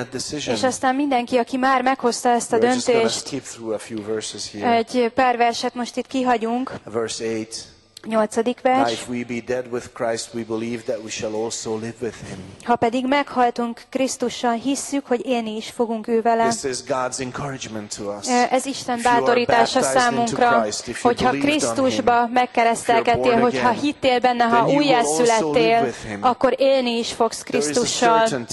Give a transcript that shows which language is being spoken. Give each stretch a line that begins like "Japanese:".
Hungarian: És aztán mindenki, aki már meghozta ezt a döntést, egy pár verset most itt kihagyunk.
English: Verse 8.
Hungarian: Nyolcadik vers.
English: If we be dead with Christ, we believe that we shall also live with him.
Hungarian: Ha pedig meghaltunk Krisztussal, hisszük, hogy élni is fogunk ő vele.
English: This is God's encouragement to us.
Hungarian: Ez Isten bátorítása számunkra, hogyha Krisztusba megkeresztelkedtél, hogyha hittél benne, ha újjászülettél, akkor élni is fogsz Krisztussal.